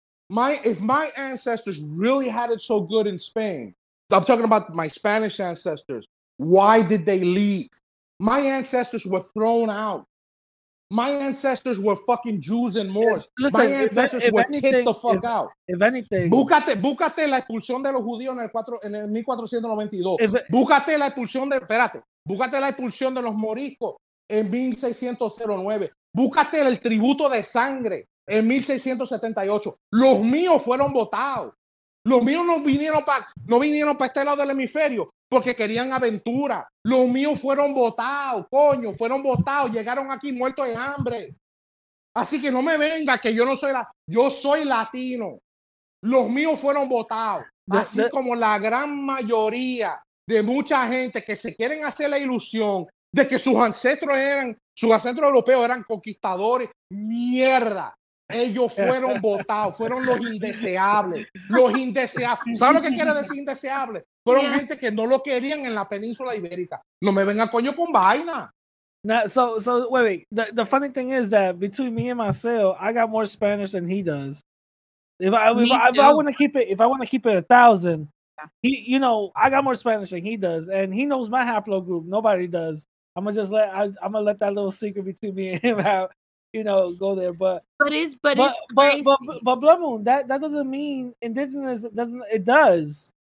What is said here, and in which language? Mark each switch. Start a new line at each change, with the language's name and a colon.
English: If my ancestors really had it so good in Spain, I'm talking about my Spanish ancestors, why did they leave? My ancestors were thrown out. My ancestors were fucking Jews and Moors. Listen, my ancestors were kicked the fuck out. If anything,
Spanish: búscate la expulsión de los judíos en el 1492. Búscate la expulsión de los moriscos en 1609. Búscate el tributo de sangre en 1678. Los míos fueron botados. Los míos no vinieron para este lado del hemisferio porque querían aventura. Los míos fueron botados, coño, fueron botados. Llegaron aquí muertos de hambre. Así que no me venga que yo no soy yo soy latino. Los míos fueron botados. Así como la gran mayoría de mucha gente que se quieren hacer la ilusión de que sus ancestros europeos eran conquistadores. Mierda. Ellos fueron votados, fueron los indeseables. ¿Sabes lo que quiere decir indeseable? Fueron gente que no lo querían en la península ibérica. No me venga coño con vaina.
English: So wait. The funny thing is that between me and Marcel, I got more Spanish than he does. If I want to keep it 1,000, I got more Spanish than he does, and he knows my haplogroup. Nobody does. I'm gonna let that little secret between me and him out. Go there, but Blood Moon, that doesn't mean indigenous doesn't. It does.